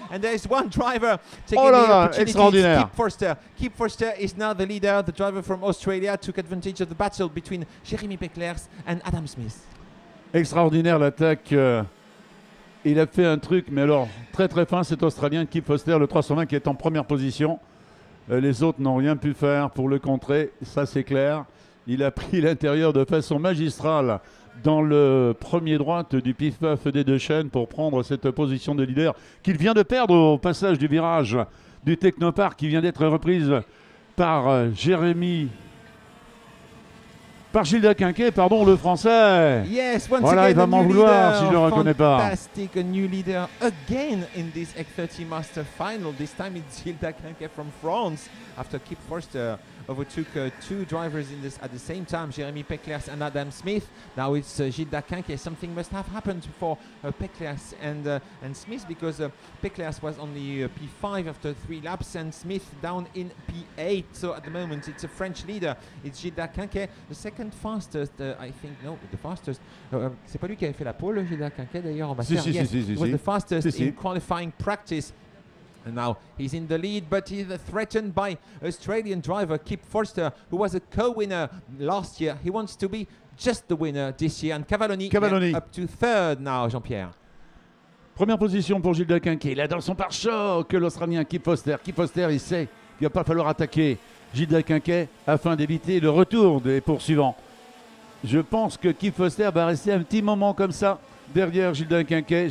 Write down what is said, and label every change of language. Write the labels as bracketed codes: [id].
[en] And there's one driver taking opportunity, Kip Foster. Kip Foster is now the leader. The driver from Australia took advantage of the battle between Jeremy Pekler's and Adam Smith. [fr] Extraordinaire l'attaque. Il a fait un truc, mais alors très très fin, cet Australien Kip Foster, le 320, qui est en première position. Les autres n'ont rien pu faire pour le contrer, ça c'est clair. Il a pris l'intérieur de façon magistrale dans le premier droit du pif-paf des deux chaînes pour prendre cette position de leader qu'il vient de perdre au passage du virage du Technopark, qui vient d'être reprise par Jérémy. Par Gilda Quinquet, pardon, le Français. [en] Yes, once [fr] voilà, [en] again, [fr] il va m'en vouloir [en] leader, [fr] si je ne le reconnais pas. [en] Fantastic, a new leader again in this X30 Master Final. This time it's Gilda Quinquet from France. After Kip Foster overtook two drivers in this at the same time, Jeremy Pekler's and Adam Smith. Now it's Gilda Quinquet. Something must have happened for Pekler's and Smith, because Pekler's was only P5 after three laps and Smith down in P8. So at the moment it's a French leader. It's Gilda Quinquet, the second fastest, the fastest. [fr] C'est pas lui qui avait fait la pole, Gilda Quinquet, d'ailleurs, en master. Si, [en] in qualifying practice. And now he's in the lead, but he's threatened by Australian driver Kip Foster, who was a co-winner last year. He wants to be just the winner this year. And Cavalloni up to third now, Jean-Pierre. [fr] Première position pour Gilda Quinquet. Il a dans son pare-choc l'Australien Kip Foster. Kip Foster, il sait qu'il ne va pas falloir attaquer Gilda Quinquet afin d'éviter le retour des poursuivants. Je pense que Kip Foster va rester un petit moment comme ça derrière Gilda Quinquet.